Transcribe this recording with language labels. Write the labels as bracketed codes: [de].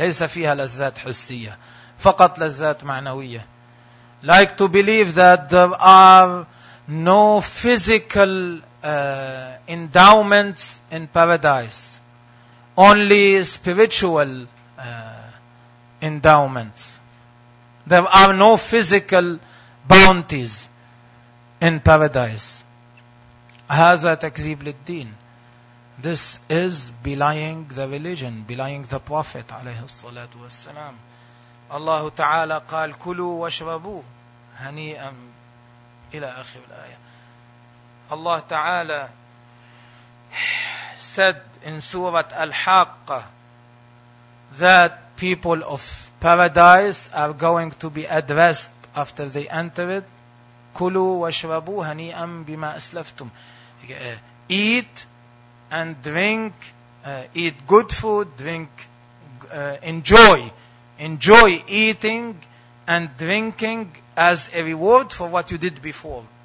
[ar] ليس فيها لذات حسية, فقط لذات معنوية. [en] Like to believe that there are no physical endowments in paradise, only spiritual endowments. There are no physical bounties in paradise. [ar] هذا تكذيب للدين. [en] This is belying the religion, belying the Prophet [ar] عليه الصلاة والسلام. الله تعالى قال كلوا واشربوا هنيئا إلى آخر الآية. [en] الله تعالى said in Surah Al-Haqq that people of paradise are going to be addressed after they enter it. [ar] كلوا واشربوا هنيئا بما أسلفتم. [en] Eat and drink, eat good food, drink, enjoy. Enjoy eating and drinking as a reward for what you did before.